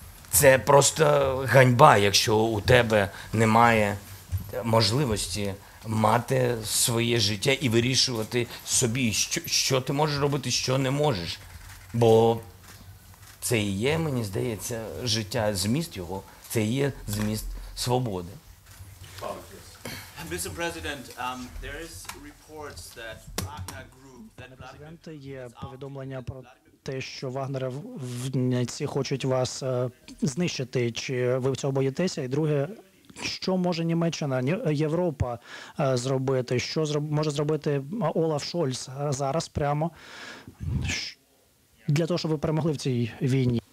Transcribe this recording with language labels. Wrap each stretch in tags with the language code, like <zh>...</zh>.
<uk>Це просто ганьба, якщо у тебе немає можливості мати своє життя і вирішувати собі, що ти можеш робити, що не можеш. Бо це і є, мені здається, життя, зміст його, це і є зміст свободи.</uk> <en>Mr. President, there is reports that Wagner group that</en> <uk>Президенте, є повідомлення про те, що вагнерівці хочуть вас знищити. Чи ви цього боїтеся? І друге, що може Німеччина, Європа зробити? Що може зробити Олаф Шольц зараз прямо для того, щоб ви перемогли в цій війні?</uk>